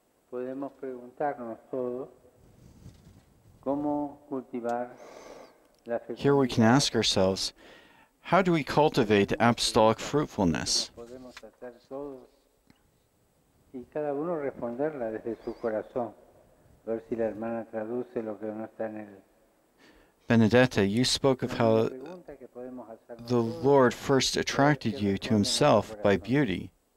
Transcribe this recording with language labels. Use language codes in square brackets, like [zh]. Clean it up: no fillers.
[es] Podemos preguntarnos todo cómo cultivar la fecundidad. [en] Here we can ask ourselves, how do we cultivate apostolic fruitfulness? [es] Podemos hacer todos y cada uno responderla desde su corazón. A ver si la hermana traduce lo que no está en el. [en] Benedetta, you spoke of how the Lord first attracted you to Himself by beauty.